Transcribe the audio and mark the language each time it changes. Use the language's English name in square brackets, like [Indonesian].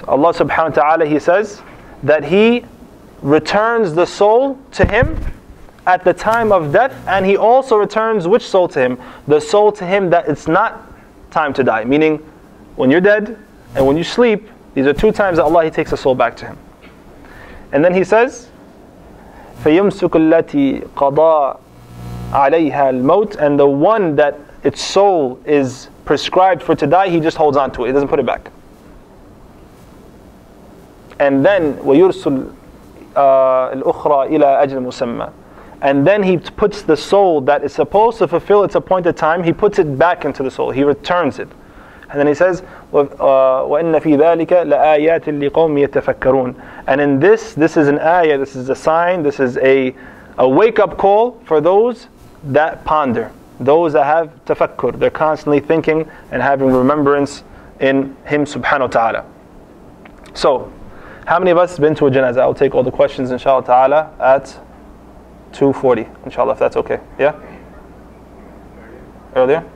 [English] Allah subhanahu wa ta'ala, He says, that He returns the soul to Him at the time of death, and He also returns which soul to Him? The soul to Him that it's not time to die. Meaning, when you're dead and when you sleep, these are two times that Allah, He takes a soul back to Him. And then He says, [Arabic] فَيُمْسُكُ الَّتِي قَضَى عَلَيْهَا الْمَوْتِ. [English] And the one that its soul is prescribed for to die, He just holds on to it. He doesn't put it back. And then, [Arabic] وَيُرْسُلْ الْأُخْرَى إِلَىٰ أَجْلِ مُسَمَّى. [English] And then He puts the soul that is supposed to fulfill its appointed time, He puts it back into the soul. He returns it. And then he says, [Arabic] وَإِنَّ فِي ذَٰلِكَ لَآيَاتٍ لِقَوْمٍ يَتَفَكَّرُونَ. [English] And in this, this is an ayah, this is a sign, this is a wake-up call for those that ponder, those that have tafakkur. They're constantly thinking and having remembrance in Him subhanahu wa ta'ala. So, how many of us have been to a janazah? I'll take all the questions inshallah ta'ala at 2:40, inshallah, if that's okay. Yeah? Earlier?